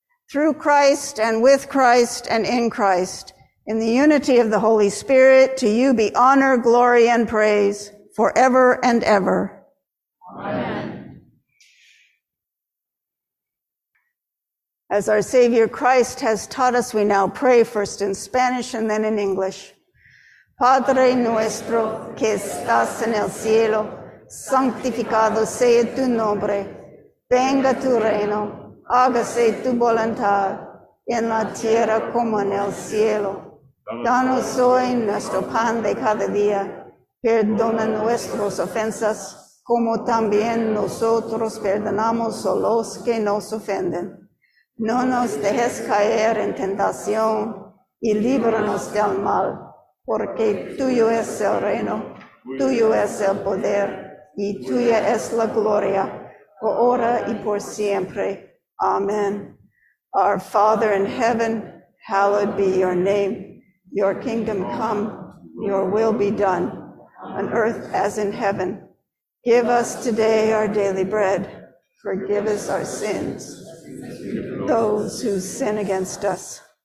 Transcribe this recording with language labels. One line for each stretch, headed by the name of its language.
English: Through Christ and with Christ and in Christ, in the unity of the Holy Spirit, to you be honor, glory, and praise forever and ever. Amen. As our Savior Christ has taught us, we now pray first in Spanish and then in English.
Spanish: Padre nuestro que estás en el cielo, santificado sea tu nombre. Venga tu reino, hágase tu voluntad, en la tierra como en el cielo. Danos hoy nuestro pan de cada día. Perdona nuestras ofensas, como también nosotros perdonamos a los que nos ofenden. No nos dejes caer en tentación y líbranos del mal. porque tuyo es el reino, tuyo es el poder, y tuya es la gloria, ahora y por siempre.
English: Amen. Our Father in heaven, hallowed be your name. Your kingdom come, your will be done, on earth as in heaven. Give us today our daily bread. Forgive us our sins, those who sin against us.